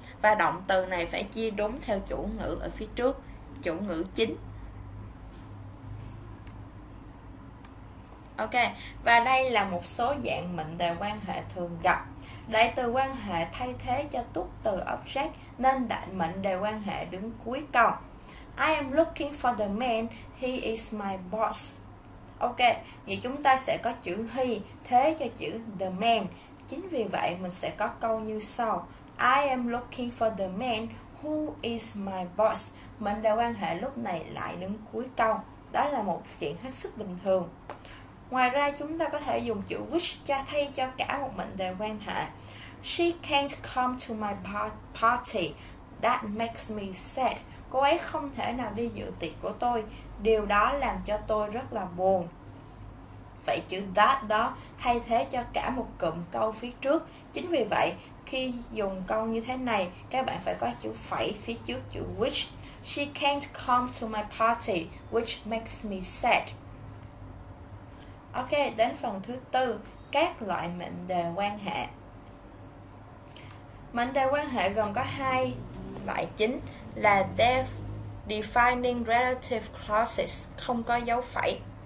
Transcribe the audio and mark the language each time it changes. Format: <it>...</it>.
<vi>Và động từ này phải chia đúng theo chủ ngữ ở phía trước, chủ ngữ chính. Ok, và đây là một số dạng mệnh đề quan hệ thường gặp. Đại từ quan hệ thay thế cho túc từ object nên đại mệnh đề quan hệ đứng cuối cùng.</vi> <en>I am looking for the man, he is my boss.</en> <vi>Ok, vậy chúng ta sẽ có chữ he thế cho chữ the man. Chính vì vậy mình sẽ có câu như sau:</vi> <en>I am looking for the man who is my boss.</en> <vi>Mệnh đề quan hệ lúc này lại đứng cuối câu. Đó là một chuyện hết sức bình thường. Ngoài ra chúng ta có thể dùng chữ wish cho thay cho cả một mệnh đề quan hệ.</vi> <en>She can't come to my party. That makes me sad.</en> <vi>Cô ấy không thể nào đi dự tiệc của tôi. Điều đó làm cho tôi rất là buồn. Vậy chữ that đó thay thế cho cả một cụm câu phía trước. Chính vì vậy, khi dùng câu như thế này, các bạn phải có chữ phẩy phía trước chữ which.</vi> <en>She can't come to my party, which makes me sad.</en> <vi>Ok, đến phần thứ tư, các loại mệnh đề quan hệ. Mệnh đề quan hệ gồm có hai loại chính là defining relative clauses không có dấu phẩy.</vi>